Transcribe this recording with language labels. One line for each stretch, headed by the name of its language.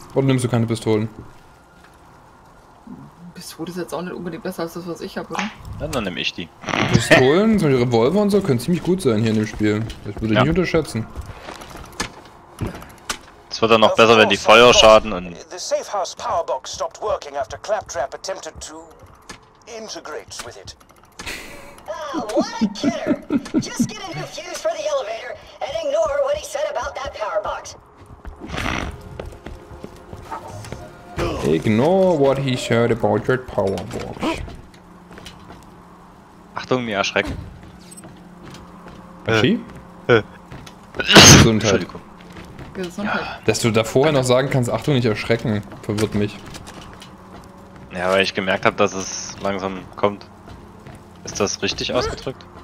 German: Oder nimmst du keine Pistolen? Pistole ist jetzt auch nicht unbedingt besser als das, was ich habe, oder? Dann nehme ich die. Pistolen, zum Beispiel Revolver und so, können ziemlich gut sein hier in dem Spiel. Das würde ich nicht unterschätzen. Es wird dann noch besser, wenn die Feuerschaden und...
English: The safe house power box stopped working after Claptrap attempted to integrate with it. Oh, what a killer! Just get a new fuse for the elevator and ignore what he said about that power box. Ignore what he said about your power box.
German: Achtung, mir erschrecken. Achie? Gesundheit. Gesundheit. Dass du da vorher noch sagen kannst, Achtung, nicht erschrecken, verwirrt mich. Ja, weil ich gemerkt habe, dass es langsam kommt. Ist das richtig ausgedrückt?